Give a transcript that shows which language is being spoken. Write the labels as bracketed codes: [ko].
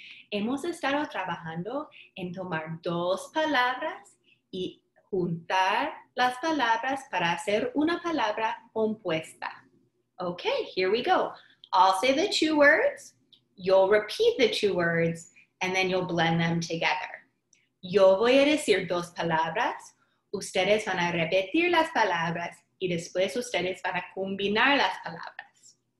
[es] Hemos estado trabajando en tomar dos palabras y juntar las palabras para hacer una palabra compuesta. [en] Okay, here we go. I'll say the two words, you'll repeat the two words, and then you'll blend them together. [es] Yo voy a decir dos palabras, ustedes van a repetir las palabras, y después ustedes van a combinar las palabras.